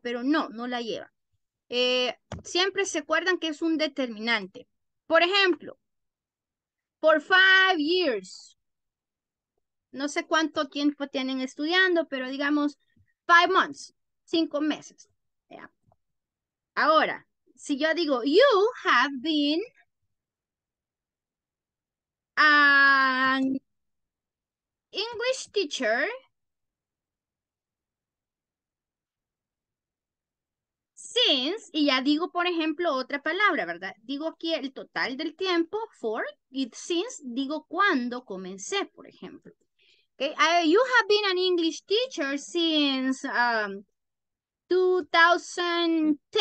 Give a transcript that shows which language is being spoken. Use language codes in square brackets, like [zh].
[es] Pero no, no la lleva. Siempre se acuerdan que es un determinante. Por ejemplo, [en] for 5 years. [es] No sé cuánto tiempo tienen estudiando, pero digamos [en] 5 months, [es] 5 meses. [en] Yeah. [es] Ahora, si yo digo, [en] you have been an English teacher [es] since, y ya digo, por ejemplo, otra palabra, ¿verdad? Digo aquí el total del tiempo, for, y since, digo cuándo comencé, por ejemplo. Okay. [en] You have been an English teacher since 2010.